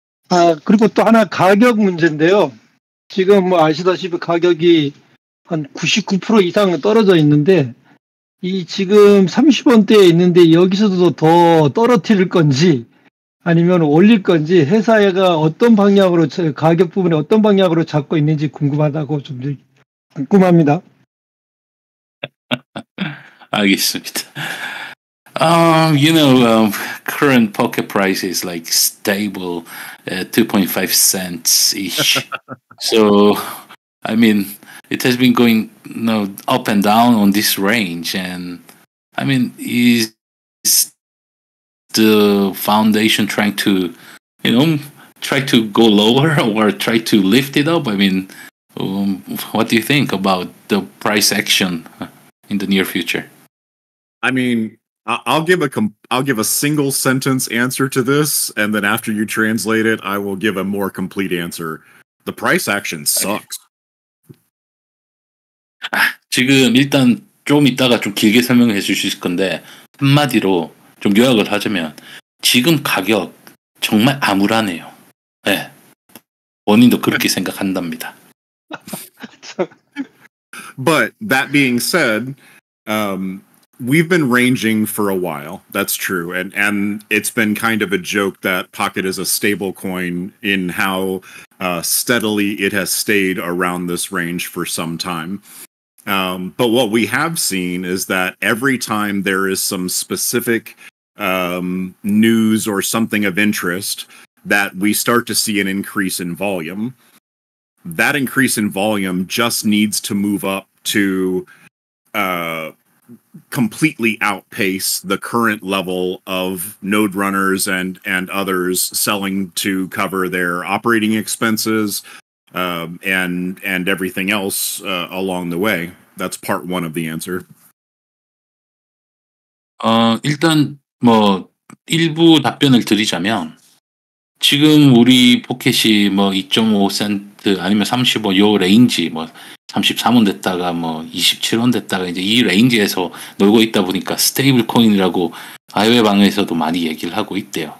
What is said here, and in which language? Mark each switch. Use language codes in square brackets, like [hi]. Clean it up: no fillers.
[ko] 아, 그리고 또 하나 가격 문제인데요. 지금 뭐 아시다시피 가격이 한 99% 이상 떨어져 있는데, 이 지금 30원대에 있는데 여기서도 더 떨어뜨릴 건지, 아니면 올릴 건지, 회사가 어떤 방향으로, 가격 부분에 어떤 방향으로 잡고 있는지 궁금하다고 좀 궁금합니다. 알겠습니다. [en] You know, current pocket price is like stable at 2.5 cents each. So, I mean, it has been going up and down on this range. And I mean, is the foundation trying to, try to go lower or try to lift it up? I mean, what do you think about the price action in the near future? I mean, I'll give a single sentence answer to this, and then after you translate it, I will give a more complete answer. The price action sucks. [ko] 아, 지금 일단 좀 이따가 좀 길게 설명해 주실 건데, 한마디로 좀 요약을 하자면 지금 가격 정말 암울하네요. 예, 네. 본인도 그렇게 생각한답니다. [en] But that being said, we've been ranging for a while. That's true. And it's been kind of a joke that Pocket is a stable coin in how steadily it has stayed around this range for some time. But what we have seen is that every time there is some specific news or something of interest, that we start to see an increase in volume. That increase in volume just needs to move up to completely outpace the current level of node runners and others selling to cover their operating expenses and everything else along the way. That's part one of the answer. [ko] 일단 뭐 일부 답변을 드리자면 지금 우리 포켓이 뭐 2.5센트 아니면 35 요 레인지 뭐 33원 됐다가 뭐 27원 됐다가 이제 이 레인지에서 놀고 있다 보니까 스테이블 코인이라고 해외 방에서도 많이 얘기를 하고 있대요.